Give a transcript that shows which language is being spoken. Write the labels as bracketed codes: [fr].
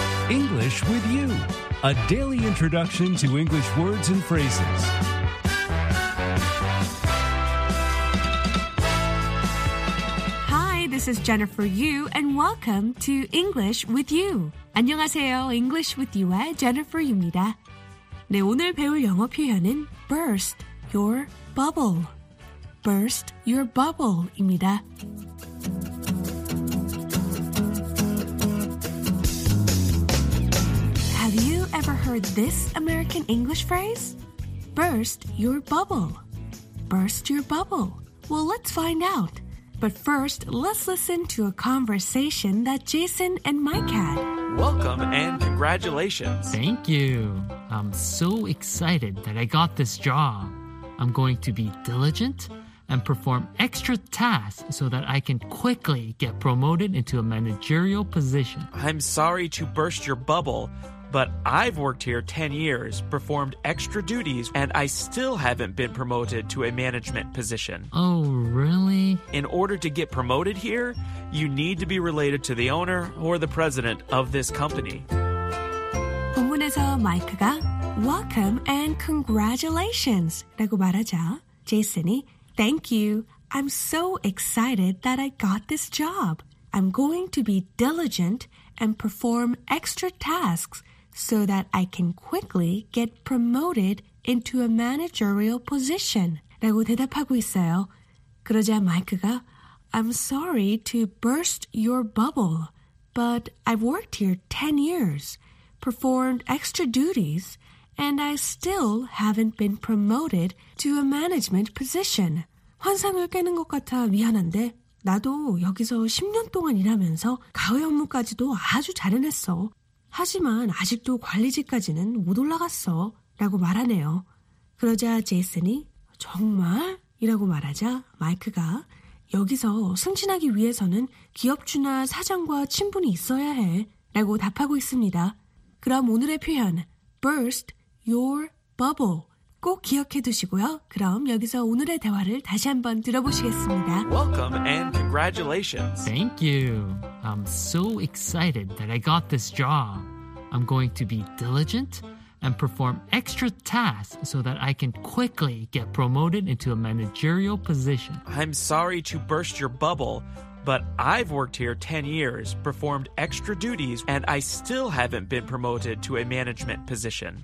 [en] English with you, a daily introduction to English words and phrases. Hi, this is Jennifer Yu, and welcome to English with you. [ko] 안녕하세요. English with you의 Jennifer입니다. 네, 오늘 배울 영어 표현은 [en] burst your bubble. [ko] burst your bubble입니다. [en] Have you ever heard this American English phrase? burst your bubble. burst your bubble. Well, let's find out. But first, let's listen to a conversation that Jason and Mike had. Welcome and congratulations. Thank you. I'm so excited that I got this job. I'm going to be diligent and perform extra tasks so that I can quickly get promoted into a managerial position. I'm sorry to burst your bubble, but I've worked here 10 years, performed extra duties, and I still haven't been promoted to a management position. Oh, really? In order to get promoted here, you need to be related to the owner or the president of this company. [ko] 본문에서 마이크가 [en] Welcome and congratulations! [ko] 라고 말하자, 제이슨이 [en] Thank you. I'm so excited that I got this job. I'm going to be diligent and perform extra tasks so that I can quickly get promoted into a managerial position. [ko] 라고 대답하고 있어요. 그러자 마이크가 [en] I'm sorry to burst your bubble, but I've worked here 10 years, performed extra duties, and I still haven't been promoted to a management position. [ko] 환상을 깨는 것 같아 미안한데 나도 여기서 10년 동안 일하면서 가을 업무까지도 아주 잘 해냈어. 하지만 아직도 관리직까지는 못 올라갔어 라고 말하네요. 그러자 제이슨이 정말? 이라고 말하자 마이크가 여기서 승진하기 위해서는 기업주나 사장과 친분이 있어야 해 라고 답하고 있습니다. 그럼 오늘의 표현 [en] burst your bubble [ko] 꼭 기억해 두시고요. 그럼 여기서 오늘의 대화를 다시 한번 들어보시겠습니다. [en] Welcome and congratulations. Thank you. I'm so excited that I got this job. I'm going to be diligent and perform extra tasks so that I can quickly get promoted into a managerial position. I'm sorry to burst your bubble, but I've worked here 10 years, performed extra duties, and I still haven't been promoted to a management position.